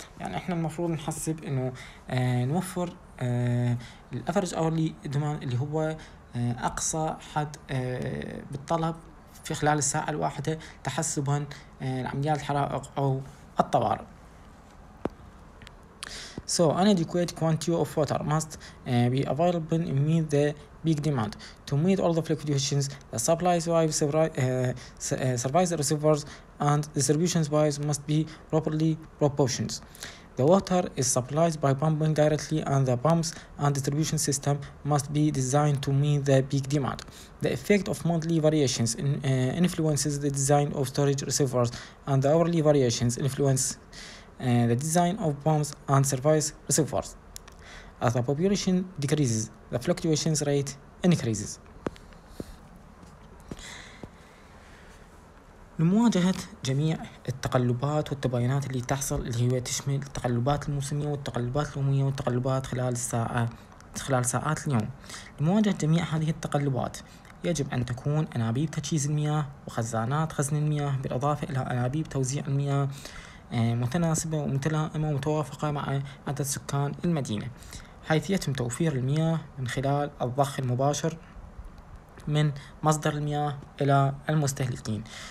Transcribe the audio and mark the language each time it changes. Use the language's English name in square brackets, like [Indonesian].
[Arabic] يعني إحنا المفروض نحسب إنه نوفر الأفرج أورلي دمان اللي هو أقصى حد بالطلب في خلال الساعة الواحدة تحسبا لعمليات الحرائق أو الطوارئ. [English] So an adequate quantity of water must be available to meet the peak demand. To meet all the fluctuations, the supply survives, survives the reservoirs and distribution wise must be properly proportioned. The water is supplied by pumping directly and the pumps and distribution system must be designed to meet the peak demand. The effect of monthly variations influences the design of storage reservoirs and the hourly variations influence the design of pumps and service reservoirs. As the population decreases, the fluctuation rate increases. [Arabic] لمواجهة جميع التقلبات والتباينات اللي تحصل، اللي هي تشمل التقلبات الموسمية والتقلبات اليومية والتقلبات خلال ساعات اليوم. لمواجهة جميع هذه التقلبات يجب أن تكون أنابيب تجهيز المياه وخزانات خزن المياه بالإضافة إلى أنابيب توزيع المياه متناسبة ومتلائمة ومتوافقة مع عدد سكان المدينة، حيث يتم توفير المياه من خلال الضخ المباشر من مصدر المياه إلى المستهلكين.